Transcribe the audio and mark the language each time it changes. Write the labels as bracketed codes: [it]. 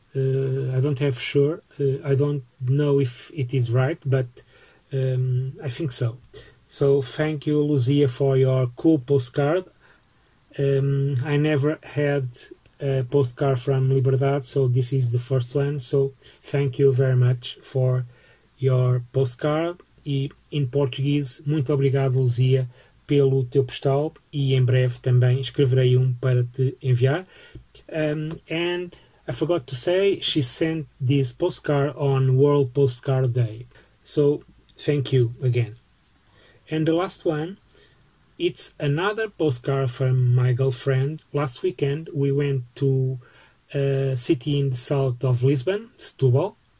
[en] I don't know if it is right, but I think so. So thank you, Luzia, for your cool postcard. I never had a postcard from Liberdade, so this is the first one. So thank you very much for your postcard. [pt] E [en] in Portuguese, [pt] muito obrigado, Luzia, pelo teu postal. E em breve também escreverei para te enviar. [en] And I forgot to say, she sent this postcard on World Postcard Day. So thank you again. And the last one, it's another postcard from my girlfriend. Last weekend, we went to a city in the south of Lisbon, Setúbal.